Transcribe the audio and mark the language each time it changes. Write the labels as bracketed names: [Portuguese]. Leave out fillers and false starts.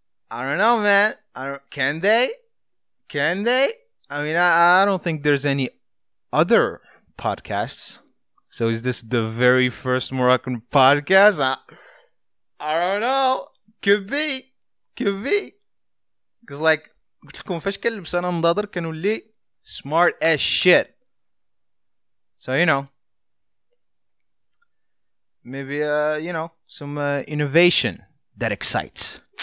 [English] I don't know, man. Can they? I mean, I don't think there's any other podcasts. So is this the very first Moroccan podcast? I don't know. Could be. Cause like, [Arabic] قلت لكم فاش كنلبس انا النظاظر كنولي [English] smart as shit. So you know, maybe you know, some innovation that excites.